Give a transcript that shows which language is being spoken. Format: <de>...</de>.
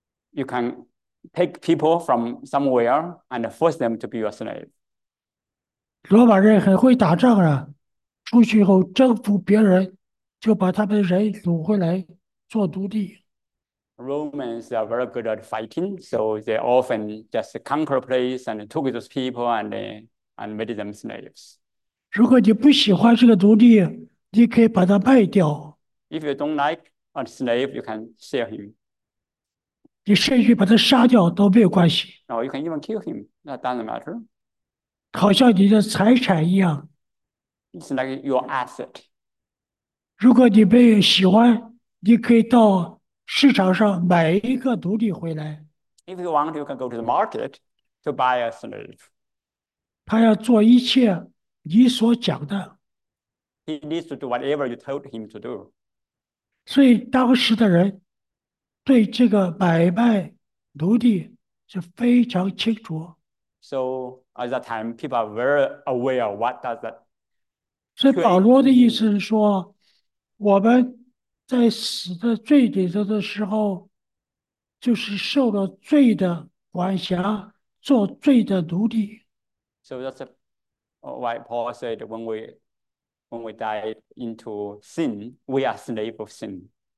<en>You can take people from somewhere and force them to be your slave.</en> <zh>罗马人很会打仗啊，出去以后征服别人，就把他们的人掳回来做奴隶。</zh> <en>Romans are very good at fighting, so they often just conquer a place and took those people and made them slaves.</en> <zh>如果你不喜欢这个奴隶，你可以把它卖掉，</zh> <en>If you don't like a slave, you can sell him.</en> <zh>你甚至把它杀掉都没有关系。</zh> <en>No, you can even kill him. That doesn't matter.</en> <zh>好像你的财产一样，</zh> <en>It's like your asset.</en> <zh>如果你被喜欢，你可以到市场上买一个奴隶回来。</zh> <en>If you want, you can go to the market to buy a slave.</en> <zh>他要做一切你所讲的。</zh> <en>He needs to do whatever you told him to do.</en> <zh>所以当时的人对这个买卖奴隶是非常清楚。</zh> <en>So at that time, people are very aware of what does that</en> <zh>所以保</zh> <en>creation</en> <zh>罗的意</zh> <en>mean.</en> <zh>思是说，我们在死的最底层的时候，就是受了罪的管辖，做罪的奴隶。</zh> <en>So that's why Paul said when we die into sin, we are slave of sin.</en>